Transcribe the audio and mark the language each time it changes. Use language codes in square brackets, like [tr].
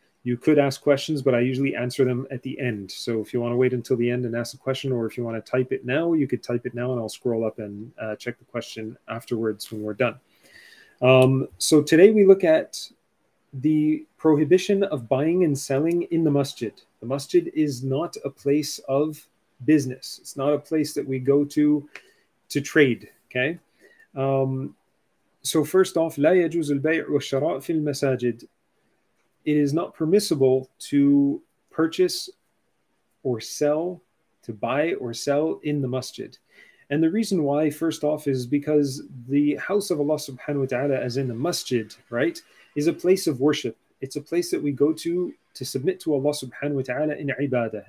[en] You could ask questions, but I usually answer them at the end. So if you want to wait until the end and ask a question, or if you want to type it now, you could type it now and I'll scroll up and check the question afterwards when we're done. So today we look at the prohibition of buying and selling in the masjid. The masjid is not a place of business. It's not a place that we go to trade, okay? So first off, [ar] لا يجوز البيع والشراء في المساجد. [en] It is not permissible to purchase or sell, to buy or sell in the masjid. And the reason why, first off, is because the house of Allah subhanahu wa ta'ala, as in the masjid, right, is a place of worship. It's a place that we go to submit to Allah subhanahu wa ta'ala in ibadah.